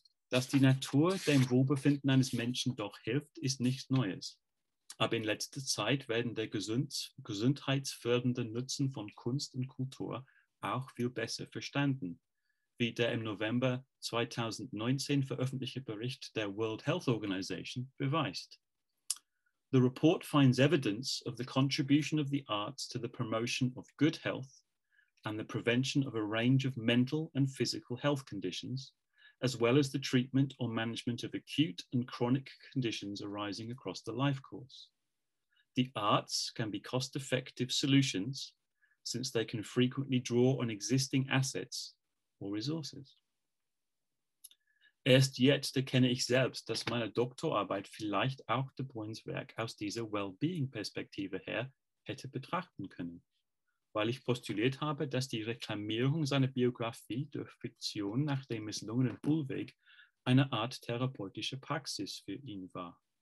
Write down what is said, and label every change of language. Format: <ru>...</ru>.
<de>Dass die Natur dem Wohlbefinden eines Menschen doch hilft, ist nichts Neues. Aber in letzter Zeit werden der gesundheitsfördernde Nutzen von Kunst und Kultur auch viel besser verstanden, wie der im November 2019 veröffentlichte Bericht der World Health Organization beweist.</de> <en>The report finds evidence of the contribution of the arts to the promotion of good health and the prevention of a range of mental and physical health conditions, as well as the treatment or management of acute and chronic conditions arising across the life course. The arts can be cost-effective solutions since they can frequently draw on existing assets or resources.</en> <de>Erst jetzt erkenne ich selbst, dass meine Doktorarbeit vielleicht auch de Bruyns Werk aus dieser Wellbeing-Perspektive her hätte betrachten können, weil ich postuliert habe, dass die Reklamierung seiner Biografie durch Fiktion nach dem misslungenen Bullweg eine Art therapeutische Praxis für ihn war.</de>